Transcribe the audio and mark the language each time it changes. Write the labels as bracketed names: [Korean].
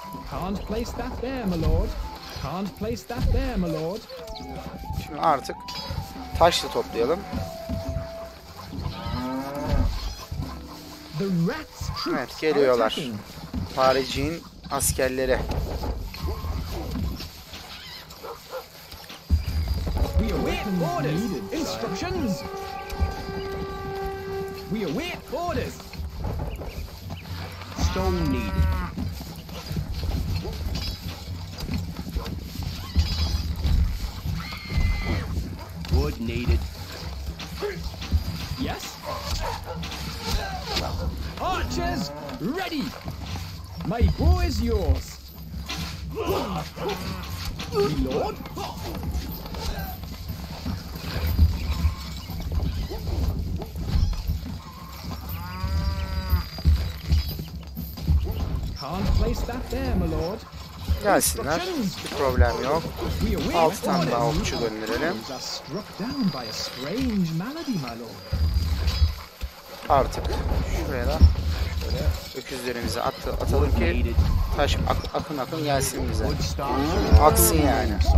[English] Can't place that there, my lord. Can't place that there, my lord. [Turkish] Şimdi artık taşla toplayalım. [English] The rat. [Turkish] Evet, geliyorlar. Paricin askerleri. [English] We await orders. Instructions. We await orders. Stone needed. Wood needed. Yes. Archers, ready! My bow is yours. My lord. Can't place that there, my lord. [Turkish] Gelsinler. Bir problem yok. 6 tane daha okçu gönderelim. [English] Struck down by a strange malady, my lord. [Turkish] Artık şuraya da şöyle öküzlerimizi atalım ki taş akın akın gelsin bize. Aksın yani.